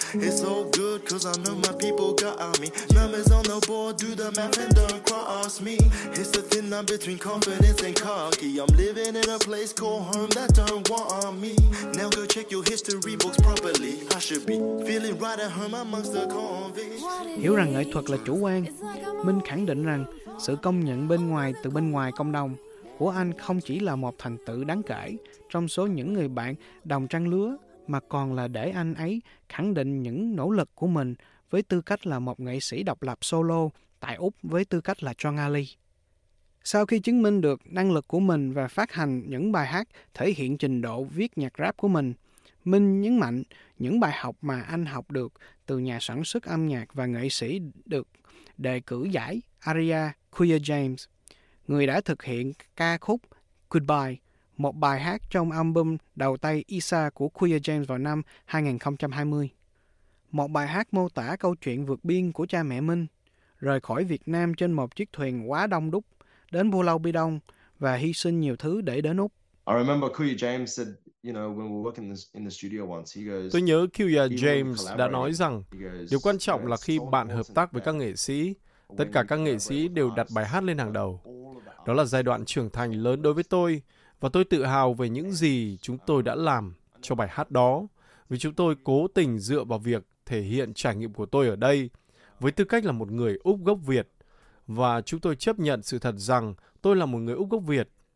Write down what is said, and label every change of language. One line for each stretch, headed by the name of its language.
English: It's all good cause I know my people got on me. Numbers on the board, do the math and don't cross me. It's the thin line between confidence and cocky. I'm living in a place called home that don't want me. Now go check your history books properly. I should be feeling right at home amongst the convicts.
Vietnamese: Hiểu rằng nghệ thuật là chủ quan, Minh khẳng định rằng sự công nhận bên ngoài từ bên ngoài cộng đồng của anh không chỉ là một thành tựu đáng kể trong số những người bạn đồng trang lứa, mà còn là để anh ấy khẳng định những nỗ lực của mình với tư cách là một nghệ sĩ độc lập solo tại Úc với tư cách là John Ali. Sau khi chứng minh được năng lực của mình và phát hành những bài hát thể hiện trình độ viết nhạc rap của mình, Minh nhấn mạnh những bài học mà anh học được từ nhà sản xuất âm nhạc và nghệ sĩ được đề cử giải Aria Queer James, người đã thực hiện ca khúc Goodbye, một bài hát trong album đầu tay Issa của Queer James vào năm 2020. Một bài hát mô tả câu chuyện vượt biên của cha mẹ Minh, rời khỏi Việt Nam trên một chiếc thuyền quá đông đúc, đến Pulau Bidong và hy sinh nhiều thứ để đến Úc.
English: I remember Queer James said, you know, when we were working in the studio once, he goes,
Vietnamese: tôi nhớ Kuya James đã nói rằng điều quan trọng là khi bạn hợp tác với các nghệ sĩ, tất cả các nghệ sĩ đều đặt bài hát lên hàng đầu. Đó là giai đoạn trưởng thành lớn đối với tôi, và tôi tự hào về những gì chúng tôi đã làm cho bài hát đó, vì chúng tôi cố tình dựa vào việc thể hiện trải nghiệm của tôi ở đây với tư cách là một người Úc gốc Việt, và chúng tôi chấp nhận sự thật rằng tôi là một người Úc gốc Việt.